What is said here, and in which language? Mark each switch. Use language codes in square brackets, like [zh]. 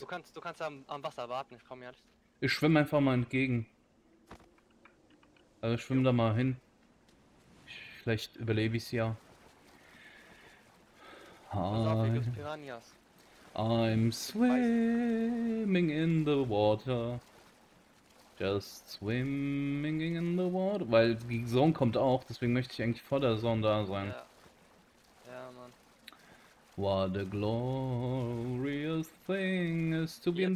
[de] Du kannst am Wasser warten, ich komme ja nicht. Ich schwimme einfach mal entgegen. Also ich schwimme da mal hin. Vielleicht überlebe ich es ja. Pass auf, hier gibt's Piranhas. [en] I'm [de] Beißen. [en] swimming in the water. Just swimming in the water. [de] Weil die Sonne kommt auch, deswegen möchte ich eigentlich vor der Sonne da sein. Ja. Ja, Mann. [en] What a glorious thing is to be in